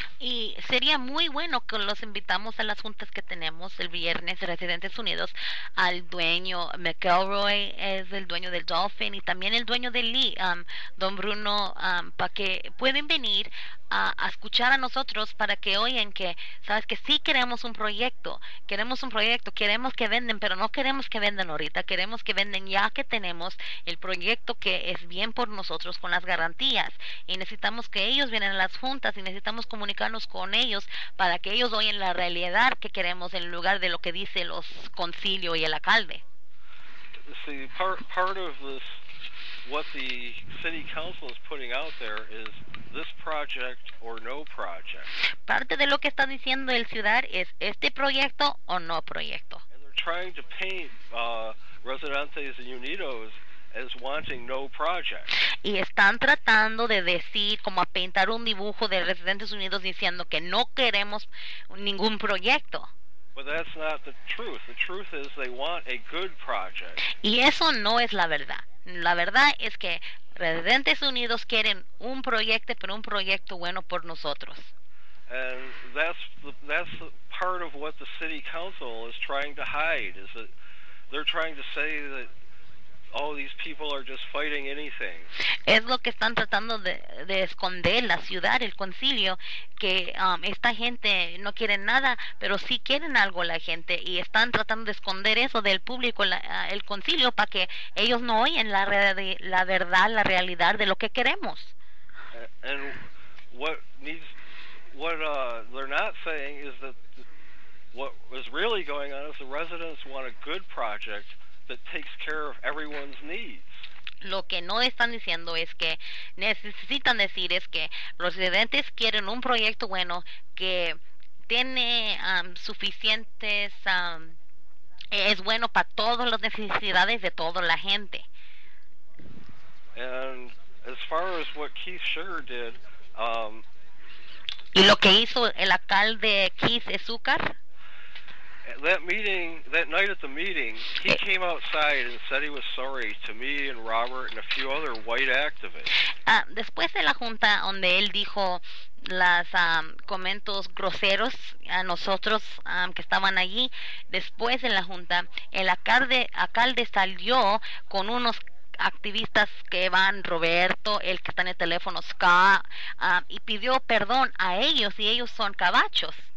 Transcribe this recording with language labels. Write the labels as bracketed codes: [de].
[es] Y sería muy bueno que los invitamos a las juntas que tenemos el viernes, Residentes Unidos, al dueño McElroy, es el dueño del Dolphin, y también el dueño de Lee, Don Bruno, para que pueden venir a escuchar a nosotros para que oigan que, sabes que sí queremos un proyecto, queremos que venden, pero no queremos que venden ahorita, queremos que venden ya que tenemos el proyecto que es bien por nosotros con las garantías, y necesitamos que ellos vienen a las juntas y necesitamos comunicarnos con ellos para que ellos oigan la realidad que queremos en lugar de lo que dice los concilio y el alcalde. [en] See, part of this, what the city council is putting out there is this project or no project. [es] Parte de lo que está diciendo el ciudad es este proyecto o no proyecto. [en] And they're trying to paint Residentes Unidos as wanting no project. [es] Y están tratando de decir, como a pintar un dibujo de Residentes Unidos diciendo que no queremos ningún proyecto. [en] But that's not the truth. The truth is they want a good project. [es] Y eso no es la verdad. La verdad es que Residentes Unidos quieren un proyecto, pero un proyecto bueno por nosotros. [en] And that's part of what the city council is trying to hide, is that they're trying to say that all these people are just fighting anything. [es] Es lo que están tratando de esconder la ciudad, el concilio, que esta gente no quiere nada, pero sí quieren algo la gente, y están tratando de esconder eso del público, el concilio, para que ellos no oyen la verdad, la realidad de lo que queremos. [en] And what they're not saying is that what is really going on is the residents want a good project that takes care of everyone's needs. [es] Lo que no están diciendo es que necesitan decir es que los residentes quieren un proyecto bueno que tiene suficientes es bueno para todas las necesidades de toda la gente. [en] And as far as what Keith Sugar did, [es] y lo que hizo el alcalde Keith Sugar. [en] That meeting, that night at the meeting, he came outside and said he was sorry to me and Robert and a few other white activists. [es] Después de la junta donde él dijo las comentarios groseros a nosotros que estaban allí, después de la junta, el alcalde salió con unos activistas que van Roberto, el que está en el teléfono, Scott, y pidió perdón a ellos, y ellos son cabachos.